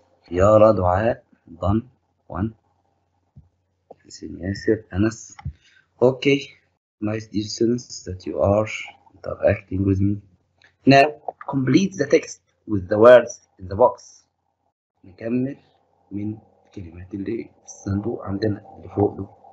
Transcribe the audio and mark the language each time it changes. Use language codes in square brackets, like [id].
[en] يارا دعاء ضن وان حسين ياسر انس. Okay, nice dear students that you are interacting with me. Now complete the text with the words in the box. [ar] نكمل من الكلمات اللي في الصندوق عندنا اللي فوق ده.